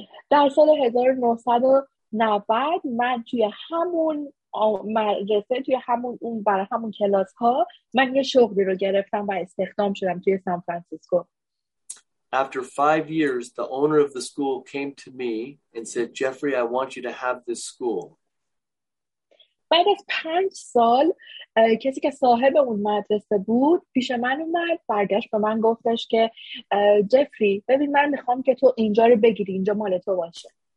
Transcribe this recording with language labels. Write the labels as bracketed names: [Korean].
[Persian] در سال 1990 من توی همون مدرسه توی همون اون برای همون کلاس ها من یه شغلی رو گرفتم و استخدام شدم توی سان فرانسیسکو. [English] After 5 years, the owner of the school came to me and said, Jeffrey, I want you to have this school. [Persian] بعد از 5 سال کسی که صاحب اون مدرسه بود پیش من اومد برگشت به من گفتش که جفری ببین من میخوام که تو اینجا رو بگیری اینجا مال تو باشه.